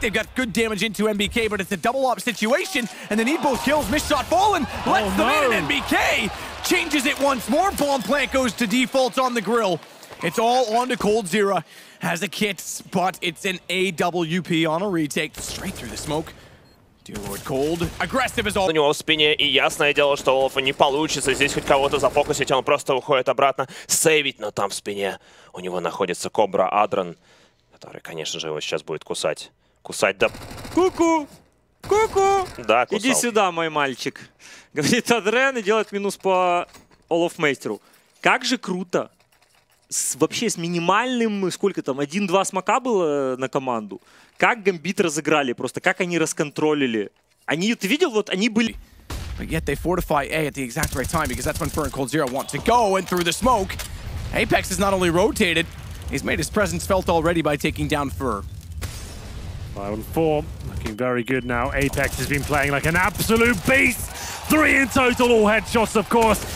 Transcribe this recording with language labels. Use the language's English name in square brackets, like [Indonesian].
[English] They've got good damage into MBK, but it's a double op situation, and they need both kills. Miss shot Fallen, lets them in, and MBK changes it once more. Bomb plant goes to default on the grill. It's all on to Cold Zera. Has a kit, but it's an AWP on a retake. Straight through the smoke. Dude, cold. Aggressive as all. [Russian] У него в спине, и ясное дело, что Олафа не получится здесь хоть кого-то зафокусить, он просто уходит обратно сейвить, но там в спине у него находится Кобра Адрен, который, конечно же, его сейчас будет кусать. Кусать до... Ку-ку! Ку-ку! Да, кусал. Иди сюда, мой мальчик. Говорит Адрен и делает минус по Олафмейстеру. Как же круто! С, вообще с минимальным, сколько там, 1-2 смока было на команду. Как Гамбит разыграли просто, как они расконтролили. Они, ты видел, вот они были... [English] But yet they fortify A at the exact right time, because that's when Fur and Cold Zero want to go, and through the smoke, Apex is not only rotated, he's made his presence felt already by taking down Fur. 5-4, looking very good now. Apex has been playing like an absolute beast! 3 in total, all headshots, of course.